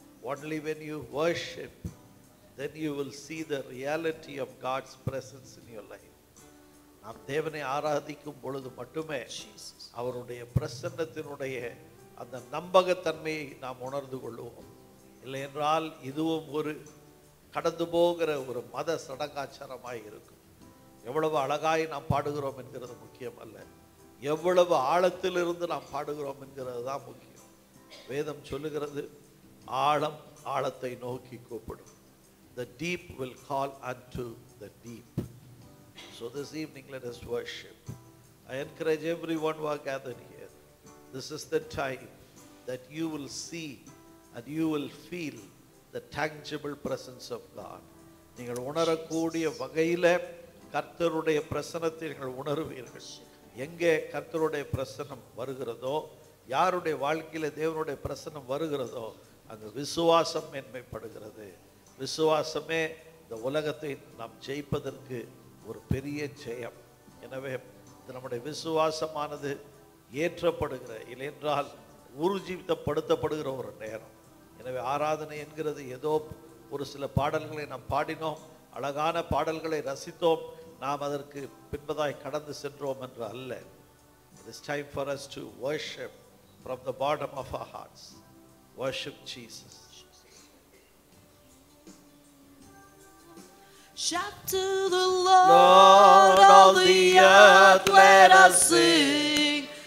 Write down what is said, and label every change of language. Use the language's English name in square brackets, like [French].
[English] Only when you worship, then you will see the reality of God's presence in your life. [Tamil] நாம் தேவனை ஆராதிக்கும் பொழுது மட்டுமே அவருடைய பிரசன்னத்தினுடைய அந்த நம்பகத்தன்மையை நாம் உணர்ந்து கொள்வோம். இல்லை என்றால் இதுவும் ஒரு கடந்து போகிற ஒரு மத சடங்காச்சாரமாக இருக்கும். எவ்வளவு அழகாய் நாம் பாடுகிறோம் என்கிறது முக்கியம் அல்ல, எவ்வளவு ஆழத்திலிருந்து நாம் பாடுகிறோம் என்கிறது தான் முக்கியம். வேதம் சொல்லுகிறது, ஆழம் ஆழத்தை நோக்கி கூப்பிடும். [English] The deep will call unto the deep. So this evening let us worship. I encourage everyone who are gathered here. This is the time that you will see and you will feel the tangible presence of God. [Tamil] நீங்கள் உணரக்கூடிய வகையில் கர்த்தருடைய பிரசன்னத்தை நீங்கள் உணர்வீர்கள். எங்கே கர்த்தருடைய பிரசன்னம் வருகிறதோ, யாருடைய வாழ்க்கையில் தேவனுடைய பிரசன்னம் வருகிறதோ, அங்கு விசுவாசம் மேன்மைப்படுகிறது. விசுவாசமே இந்த உலகத்தை நாம் ஜெயிப்பதற்கு ஒரு பெரிய ஜெயம். எனவே நம்முடைய விசுவாசமானது ஏற்றப்படுகிற இல்லை என்றால் உறுஜீவிதப்படுத்தப்படுகிற ஒரு நேரம். எனவே ஆராதனை என்கிறது ஏதோ ஒரு சில பாடல்களை நாம் பாடினோம், அழகான பாடல்களை ரசித்தோம், நாம் அதற்கு பின்பதாய் கடந்து சென்றோம் என்று அல்ல. [English] It is time for us to worship from the bottom of our hearts. Worship Jesus. Shout to the Lord, all the earth, let us sing.